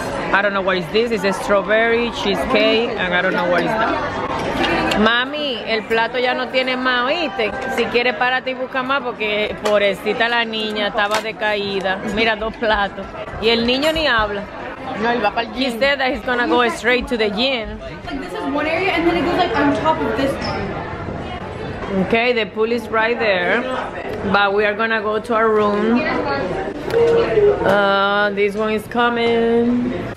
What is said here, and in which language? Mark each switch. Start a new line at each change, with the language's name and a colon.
English: I don't know what is this. It's a strawberry cheesecake, and I don't know what is that.
Spanish: Mami, el plato ya no tiene más, ¿oíste? Si quieres, párate y busca más, porque pobrecita la niña estaba decaída. Mira, dos platos. Y el niño ni habla. No, él va para el gym.
English: He said that he's gonna go straight to the gym. Like, this is one area, and then it goes like on top of this one. Okay, the pool is right there, but we are gonna go to our room. This one is coming.